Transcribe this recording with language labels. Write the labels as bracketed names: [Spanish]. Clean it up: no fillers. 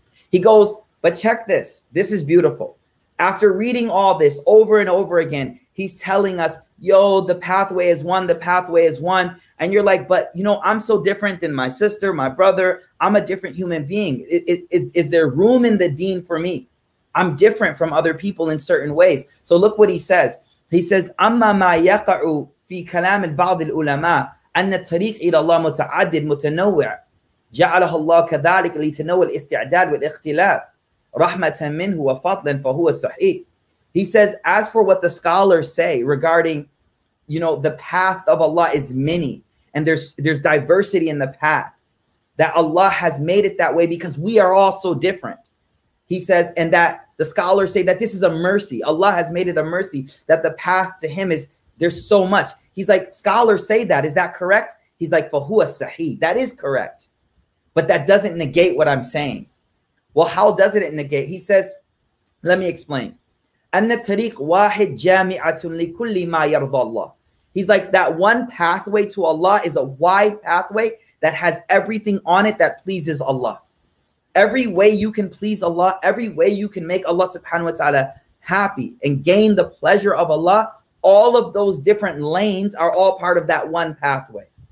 [English] He goes, but check this. This is beautiful. After reading all this over and over again, he's telling us, yo, the pathway is one, the pathway is one. And you're like, but you know, I'm so different than my sister, my brother. I'm a different human being. Is there room in the deen for me? I'm different from other people in certain ways. So look what he says. He says, [Arabic] أما ما يقع في كلام بعض العلماء أن الطريق إلى الله متعدد متنوع جعله الله كذلك لتنوع الاستعداد والاختلاف رحمة منه وفضلا فهو صحيح. [English] He says, as for what the scholars say regarding, you know, the path of Allah is many and there's diversity in the path, that Allah has made it that way because we are all so different. He says, and that the scholars say that this is a mercy. Allah has made it a mercy that the path to him is, there's so much. He's like, scholars say that, is that correct? He's like, [Arabic] فَهُوَ السَّحِيِّ. [English] That is correct. But that doesn't negate what I'm saying. Well, how does it negate? He says, let me explain. [Arabic] أن الطريق واحد جامعة لكل ما يرضى الله. [English] He's like, that one pathway to Allah is a wide pathway that has everything on it that pleases Allah. Every way you can please Allah, every way you can make Allah subhanahu wa ta'ala happy and gain the pleasure of Allah, all of those different lanes are all part of that one pathway.